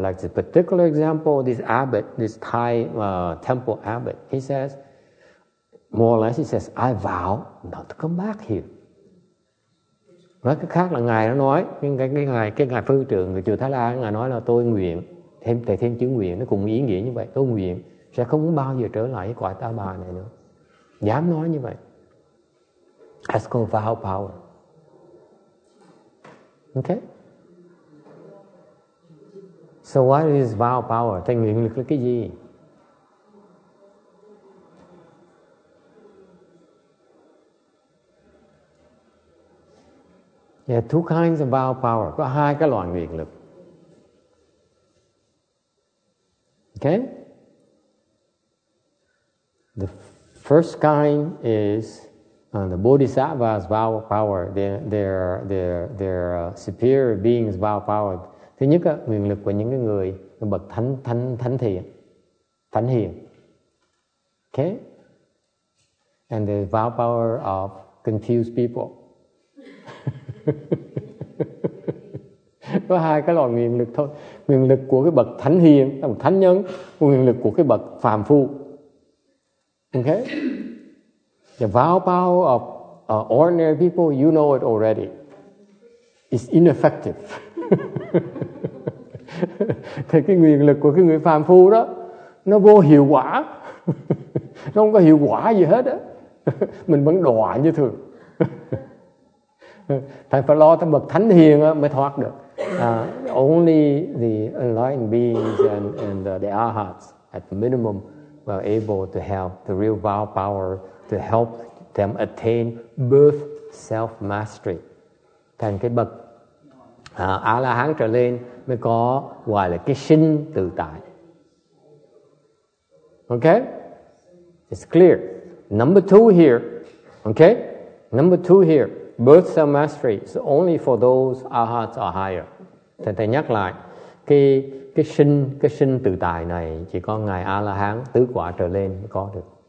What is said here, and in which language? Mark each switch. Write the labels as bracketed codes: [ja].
[en] Like this particular example, this abbot, this Thai temple abbot, he says, more or less, he says, I vow not to come back here. [vi] Nói cái khác là ngài nó nói, cái ngài phương trưởng người chùa Thái Lan, ngài nói là tôi nguyện, thêm chữ nguyện, nó cùng ý nghĩa như vậy, tôi nguyện sẽ không bao giờ trở lại cái quả ta bà này nữa. Dám nói như vậy. [en] That's called vow power. Okay? So what is vow power? [vi] Thế nguyện lực là cái gì? [en] Yeah, two kinds of vow power. [vi] Có hai cái loại nguyện lực. [en] Okay? The first kind is the bodhisattva's vow power. They're superior beings' vow power. [vi] Thứ nhất á, nguyện lực của những cái người bậc thánh hiền. Okay? [en] And the vow power of confused people. [vi] Có hai cái loại nguyện lực thôi. Nguyện lực của cái bậc thánh hiền, là một thánh nhân, nguyện lực của cái bậc phàm phu. [en] Okay? The vow power of ordinary people, you know it already. It's ineffective. [vi] Thì cái nguyện lực của cái người phàm phu đó, nó vô hiệu quả. Nó không có hiệu quả gì hết á. Mình vẫn đọa như thường. Thầy phải lo tới bậc thánh hiền mới thoát được. [en] Only the enlightened beings and the arhats at minimum were able to have the real vow power to help them attain birth self-mastery. [vi] Thành cái bậc A-la-hán trở lên mới có gọi là cái sinh tự tại. [en] Okay? It's clear. Number two here. Okay? Number two here. Birth self-mastery is only for those arhats are higher. [vi] Thầy nhắc lại, cái sinh tự tại này chỉ có ngài A-la-hán tứ quả trở lên mới có được.